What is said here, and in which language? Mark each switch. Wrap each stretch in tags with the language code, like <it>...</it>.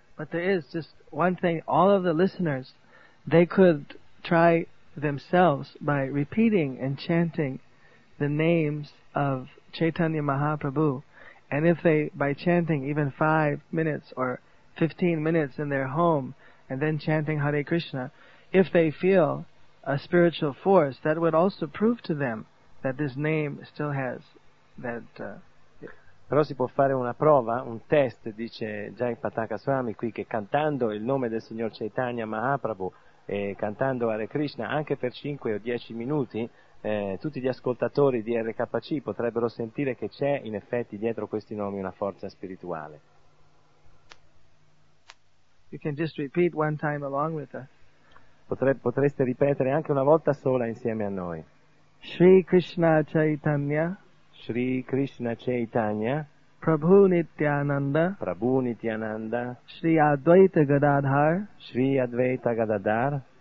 <en>But there is just one thing, all of the listeners, they could try themselves by repeating and chanting the names of Chaitanya Mahaprabhu, and if they, by chanting even 5 minutes or 15 minutes in their home and then chanting Hare Krishna, if they feel a spiritual force, that would also prove to them that this name still has that</en> <it>Però si può fare una prova, un test, dice Jai Pataka Swami qui, che cantando il nome del signor Chaitanya Mahaprabhu e cantando Hare Krishna anche per 5 o 10 minuti, tutti gli ascoltatori di RKC potrebbero sentire che c'è in effetti dietro questi nomi una forza spirituale.</it> <en>You can just repeat one time along with us.</en> <it>Potreste ripetere anche una volta sola insieme a noi.</it> <sa>Shri Krishna Chaitanya. Shri Krishna Chaitanya. Prabhu Nityananda. Prabhu Nityananda. Shri Advaita Gadadhar. Shri Advaita Gadadhar.</sa>